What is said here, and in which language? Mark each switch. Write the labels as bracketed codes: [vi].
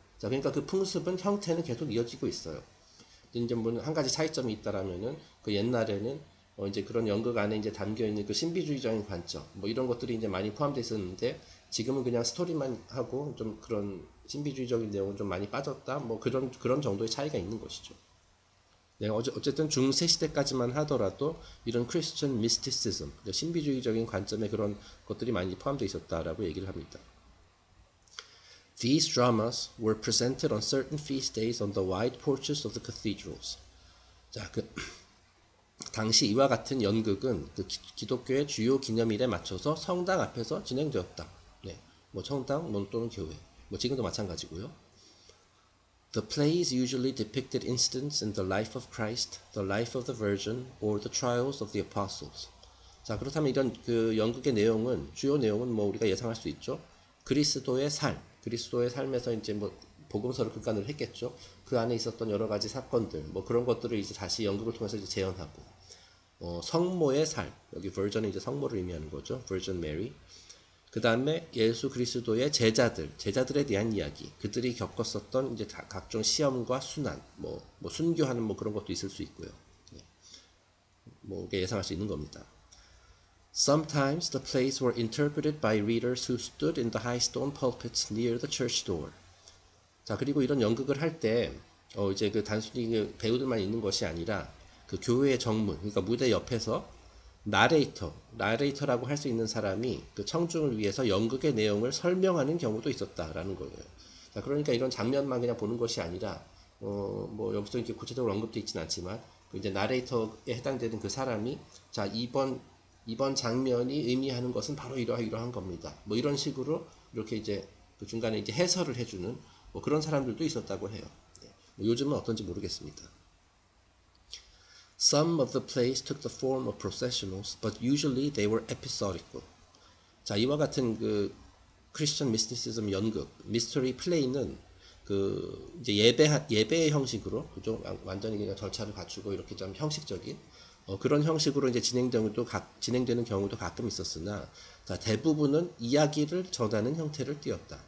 [ko] 자, 그러니까 그 풍습은 형태는 계속 이어지고 있어요. 근데 이제 뭐한 가지 차이점이 있다라면은 그 옛날에는 이제 그런 연극 안에 이제 담겨 있는 그 신비주의적인 관점 뭐 이런 것들이 이제 많이 포함되어 있었는데, 지금은 그냥 스토리만 하고 좀 그런 신비주의적인 내용은 좀 많이 빠졌다. 뭐 그런 정도의 차이가 있는 것이죠. 네, 어쨌든 중세 시대까지만 하더라도 이런 크리스천 미스티시즘, 신비주의적인 관점의 그런 것들이 많이 포함되어 있었다라고 얘기를 합니다. [en] These dramas were presented on certain feast days on the wide porches of the cathedrals. [ko] 자, 당시 이와 같은 연극은 그 기독교의 주요 기념일에 맞춰서 성당 앞에서 진행되었다. 네, 뭐 성당 또는 교회, 뭐 지금도 마찬가지고요. [en] The plays usually depicted incidents in the life of Christ, the life of the Virgin, or the trials of the apostles. [ko] 자, 그렇다면 이런 그 연극의 내용은, 주요 내용은 뭐 우리가 예상할 수 있죠. 그리스도의 삶, 그리스도의 삶에서 이제 뭐 복음서를 근간을 했겠죠. 그 안에 있었던 여러 가지 사건들, 뭐 그런 것들을 이제 다시 연극을 통해서 이제 재현하고, 성모의 삶, 여기 Virgin은 이제 성모를 의미하는 거죠. [en] Virgin Mary. [ko] 그 다음에 예수 그리스도의 제자들에 대한 이야기, 그들이 겪었었던 이제 각종 시험과 수난, 뭐 순교하는 뭐 그런 것도 있을 수 있고요. 뭐 예상할 수 있는 겁니다. [en] Sometimes the plays were interpreted by readers who stood in the high stone pulpits near the church door. [ko] 자, 그리고 이런 연극을 할 때, 이제 그 단순히 그 배우들만 있는 것이 아니라 그 교회의 정문, 그러니까 무대 옆에서 나레이터라고 할수 있는 사람이 그 청중을 위해서 연극의 내용을 설명하는 경우도 있었다라는 거예요. 자, 그러니까 이런 장면만 그냥 보는 것이 아니라, 뭐 여기서 이렇게 구체적으로 언급되어 있진 않지만, 그 이제 나레이터에 해당되는 그 사람이, 자, 이번 장면이 의미하는 것은 바로 이러한 겁니다. 뭐 이런 식으로 이렇게 이제 그 중간에 이제 해설을 해주는 뭐 그런 사람들도 있었다고 해요. 요즘은 어떤지 모르겠습니다. [en] Some of the plays took the form of processionals, but usually they were episodical. [ko] 자, 이와 같은 그 크리스천 미스티시즘 연극, 미스터리 플레이는 그 이제 예배의 형식으로, 그죠? 완전히 그냥 절차를 갖추고 이렇게 좀 형식적인 그런 형식으로 이제 진행되는 경우도 가끔 있었으나, 자, 대부분은 이야기를 전하는 형태를 띠었다.